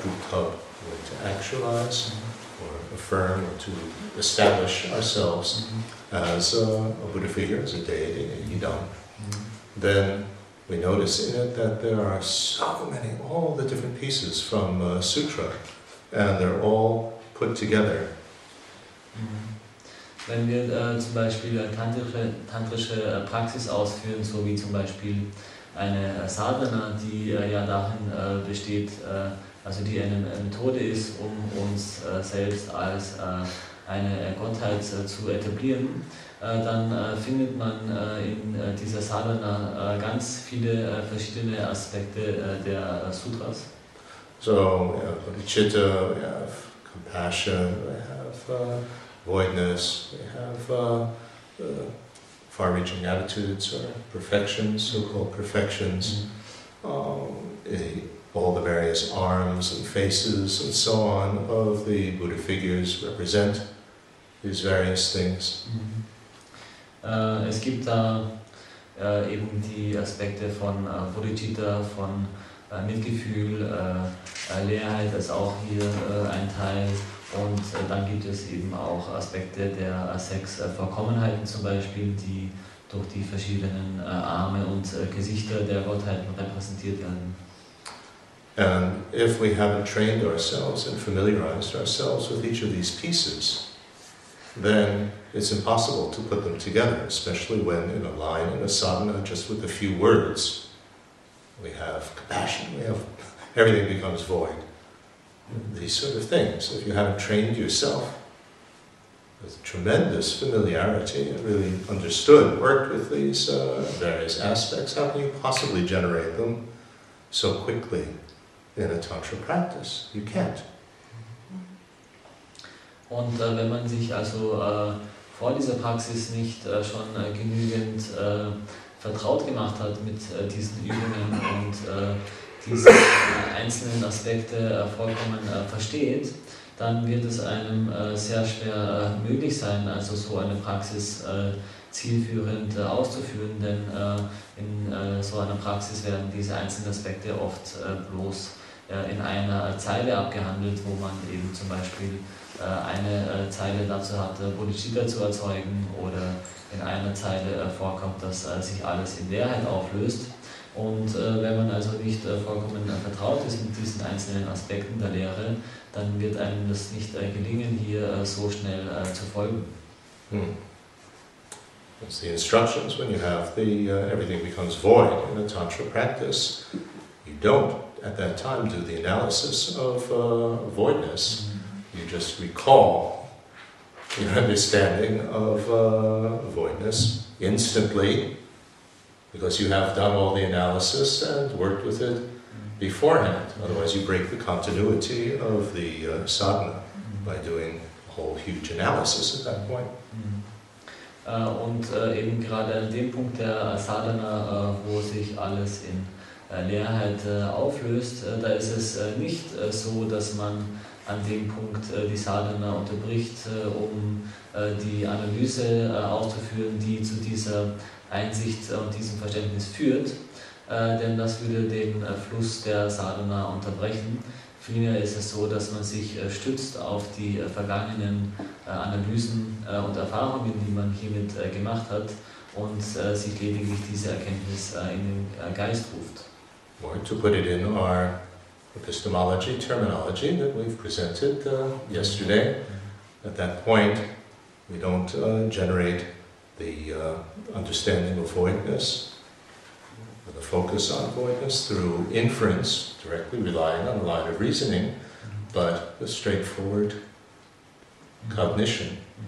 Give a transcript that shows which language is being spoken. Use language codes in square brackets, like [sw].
[en] to actualize, or affirm, or to establish ourselves as a Buddha figure, as a deity, a Yidam, then we notice in it that there are so many, all the different pieces from sutra, and they're all put together. [de] Wenn wir zum Beispiel tantrische Praxis ausführen, so wie zum Beispiel eine Sadhana, die ja darin besteht, also die eine Methode ist, um uns selbst als eine Gottheit zu etablieren, dann findet man in dieser Sadhana ganz viele verschiedene Aspekte der Sutras. [en] So, we have bodhicitta, we have compassion, we have voidness, we have far-reaching attitudes or perfections, so-called perfections, all the various arms and faces and so on of the Buddha figures represent these various things. [de] Es gibt da eben die Aspekte von Bodhicitta, von Mitgefühl, Leerheit ist auch hier ein Teil. Und dann gibt es eben auch Aspekte der sechs Vollkommenheiten zum Beispiel, die durch die verschiedenen Arme und Gesichter der Gottheiten repräsentiert werden. [en] And if we haven't trained ourselves and familiarized ourselves with each of these pieces, then it's impossible to put them together, especially when in a line in a sadhana, just with a few words, we have compassion, we have everything becomes void. These sort of things, if you haven't trained yourself with tremendous familiarity and really understood, worked with these various aspects, how can you possibly generate them so quickly in a tantra practice? You can't. [de] Und wenn man sich also vor dieser Praxis nicht schon genügend vertraut gemacht hat mit diesen Übungen und diese einzelnen Aspekte vollkommen versteht, dann wird es einem sehr schwer möglich sein, also so eine Praxis zielführend auszuführen, denn in so einer Praxis werden diese einzelnen Aspekte oft bloß in einer Zeile abgehandelt, wo man eben zum Beispiel eine Zeile dazu hat, Bodhicitta zu erzeugen, oder in einer Zeile vorkommt, dass sich alles in Leerheit auflöst. Und wenn man also nicht vollkommen vertraut ist mit diesen einzelnen Aspekten der Lehre, dann wird einem das nicht gelingen, hier so schnell zu folgen. [en] It's the instructions, when you have the everything becomes void in a tantra practice, you don't at that time do the analysis of voidness, you just recall your understanding of voidness instantly, because you have done all the analysis and worked with it beforehand. Otherwise you break the continuity of the sadhana by doing a whole huge analysis at that point. [de] Und eben gerade an dem Punkt der Sadhana, wo sich alles in Leerheit auflöst, da ist es nicht so, dass man an dem Punkt die Sadhana unterbricht, um die Analyse auszuführen, die zu dieser Einsicht und diesem Verständnis führt, denn das würde den Fluss der Sadhana unterbrechen. Vielmehr ist es so, dass man sich stützt auf die vergangenen Analysen und Erfahrungen, die man hiermit gemacht hat, und sich lediglich diese Erkenntnis in den Geist ruft. [en] Or to put it in our epistemology terminology that we've presented yesterday, at that point we don't generate the understanding of voidness, or the focus on voidness through inference, directly relying on the line of reasoning, but the straightforward cognition.